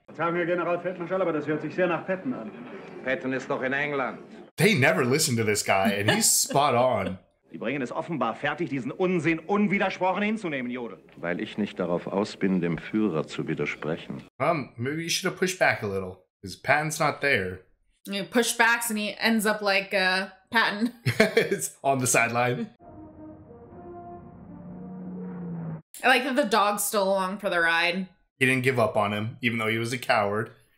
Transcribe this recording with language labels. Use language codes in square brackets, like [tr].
[de] Jetzt haben wir General Patton schon, aber das hört sich sehr nach Patton an. Patton ist doch in England. [en] They never listen to this guy, and he's spot on. [de] Sie bringen es offenbar fertig, diesen Unsinn unwidersprochen hinzunehmen, Jodel. Weil ich nicht darauf aus bin, dem Führer zu widersprechen. [en] Maybe you should have pushed back a little. His Patton's not there. He pushed back, and he ends up like Patton. It's on the sideline. I like that the dog's still along for the ride. He didn't give up on him, even though he was a coward.